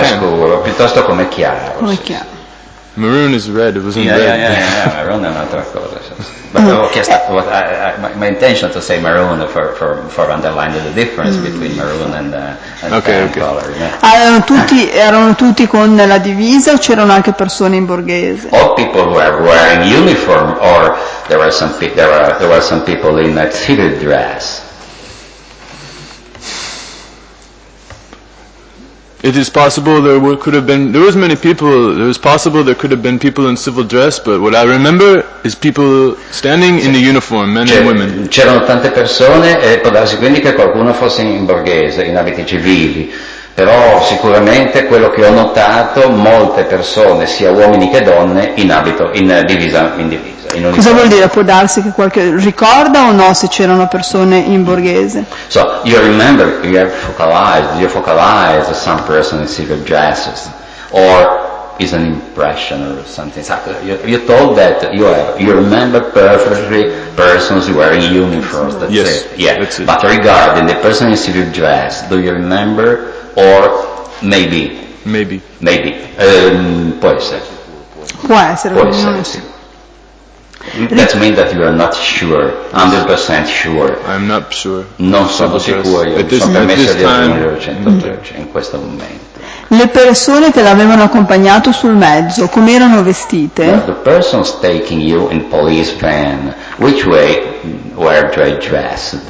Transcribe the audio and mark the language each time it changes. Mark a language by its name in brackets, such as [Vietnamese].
[English] a tan. [Italian] Scuro, piuttosto come chiaro. Come sì, chiaro. [English] Maroon is red, it wasn't red. [Italian] Yeah, maroon è un'altra cosa. [English] But my intention to say maroon for underlining the difference between maroon and color. Yeah. [Italian] Erano tutti con la divisa o c'erano anche persone in borghese? [English] All people who are wearing uniform or there were some people in a tweed dress. It is possible there was many people, it is possible there could have been people in civil dress, but what I remember is people standing in the uniform, men and women. [Italian] C'erano tante persone e può darsi quindi che qualcuno fosse in borghese, in abiti civili, però sicuramente quello che ho notato, molte persone, sia uomini che donne, in divisa. Cosa vuol dire? Può darsi che qualche ricorda o no se c'erano persone in borghese? [English] So, you remember, you have focalized some person in civil dresses, or is an impression or something. So you told that you remember perfectly persons wearing uniforms. That's yes, it. Yeah. That's it. But regarding the person in civil dress, do you remember or maybe? Maybe. [Italian] Maybe. Può essere. Può essere. Può essere. [English] That means that you are not sure, 100% sure. I'm not sure. [Italian] Non sono sicuro. [English] At this [Italian] in questo momento. Le persone che l'avevano accompagnato sul mezzo, come erano vestite? [English] The persons taking you in police van, which way were they dressed?